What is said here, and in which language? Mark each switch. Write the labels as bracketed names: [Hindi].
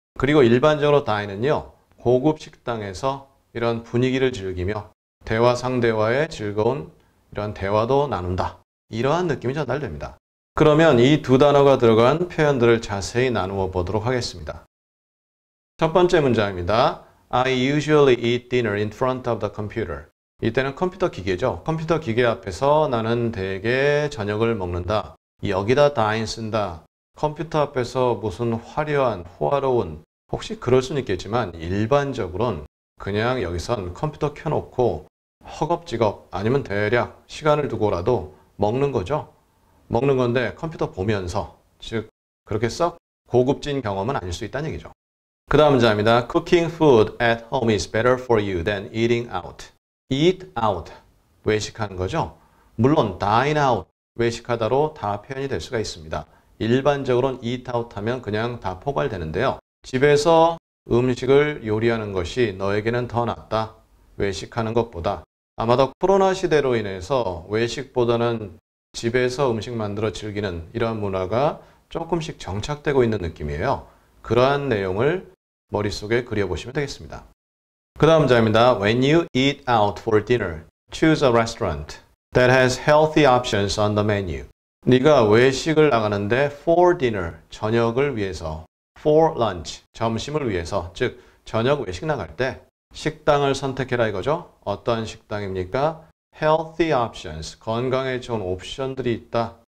[Korean] 그리고 일반적으로 다인은요, 고급 식당에서 이런 분위기를 즐기며 대화 상대와의 즐거운 이런 대화도 나눈다, 이러한 느낌이 전달됩니다. 그러면 이 두 단어가 들어간 표현들을 자세히 나누어 보도록 하겠습니다. 첫 번째 문장입니다. [English] I usually eat dinner in front of the computer. [Korean] 이때는 컴퓨터 기계죠. 컴퓨터 기계 앞에서 나는 대개 저녁을 먹는다. 여기다 dine 쓴다. 컴퓨터 앞에서 무슨 화려한, 호화로운, 혹시 그럴 수는 있겠지만 일반적으로는 그냥 여기선 컴퓨터 켜놓고 허겁지겁 아니면 대략 시간을 두고라도 먹는 거죠. 먹는 건데 컴퓨터 보면서, 즉 그렇게 썩 고급진 경험은 아닐 수 있다는 얘기죠. 그 다음 문장입니다. [English] Cooking food at home is better for you than eating out. [Korean] Eat out, 외식하는 거죠. 물론 dine out, 외식하다로 다 표현이 될 수가 있습니다. 일반적으로는 eat out 하면 그냥 다 포괄되는데요. 집에서 음식을 요리하는 것이 너에게는 더 낫다, 외식하는 것보다. 아마도 코로나 시대로 인해서 외식보다는 집에서 음식 만들어 즐기는 이런 문화가 조금씩 정착되고 있는 느낌이에요. 그러한 내용을 머릿속에 그려보시면 되겠습니다. 그 다음 문장입니다. [English] When you eat out for dinner, choose a restaurant that has healthy options on the menu. [Korean] 네가 외식을 나가는데 [English] for dinner, [Korean] 저녁을 위해서, [English] for lunch, [Korean] 점심을 위해서, 즉 저녁 외식 나갈 때 식당을 선택해라 이거죠. 어떤 식당입니까? Healthy options, 건강에 좋은 옵션들이 있다.